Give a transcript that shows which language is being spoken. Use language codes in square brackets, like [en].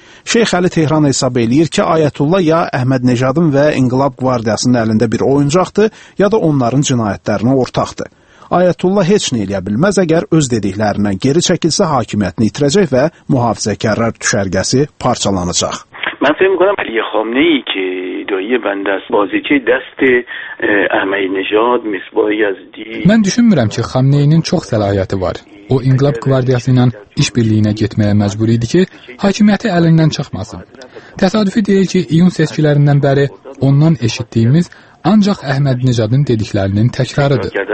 [az] Şeyx Əli Tehran hesab eləyir ki, Ayətullah ya Əhməd Nejadın və İnqilab Qvardiyasının əlində bir oyuncaqdır, ya da onların cinayətlərinə ortaqdır. Ayətullah heç nə eləyə bilməz əgər öz dediklərindən geri çəkilsə hakimiyyətini itirəcək və mühafizəkarlar düşərgəsi parçalanacaq. [fa] من فکر میکنم علی خامنه‌ای که دایی بند است بازیچه دست احمدی نژاد مصباح یزدی من [az] düşünmürəm ki Xamneyinin çox səlahiyyəti var. O İnqilab Qvardiyası ilə iş birliyinə getməyə məcbur idi ki hakimiyyəti əlindən çıxmasın. Təsadüfi deyil ki iyun seçkilərindən bəri ondan eşitdiyimiz ancaq Əhmədi Nejadın dediklərinin təkrarıdır.